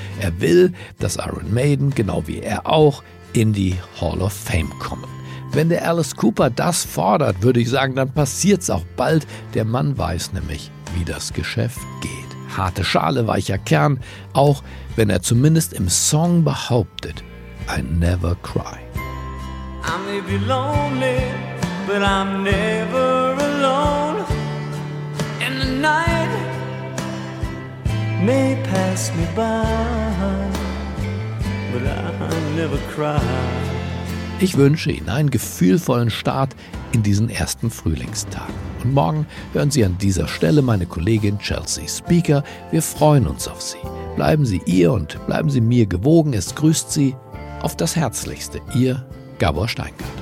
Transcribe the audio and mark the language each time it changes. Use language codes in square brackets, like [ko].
[de] Er will, dass Iron Maiden, genau wie er auch, in die Hall of Fame kommen. Wenn der Alice Cooper das fordert, würde ich sagen, dann passiert's auch bald. Der Mann weiß nämlich, wie das Geschäft geht. Harte Schale, weicher Kern, auch wenn er zumindest im Song behauptet, [en] I never cry. I may be lonely, but I'm never alone. And the night may pass me by, but I never cry. [de] Ich wünsche Ihnen einen gefühlvollen Start in diesen ersten Frühlingstag. Und morgen hören Sie an dieser Stelle meine Kollegin Chelsea Speaker. Wir freuen uns auf Sie. Bleiben Sie ihr und bleiben Sie mir gewogen. Es grüßt Sie auf das Herzlichste, Ihr Gabor Steingart.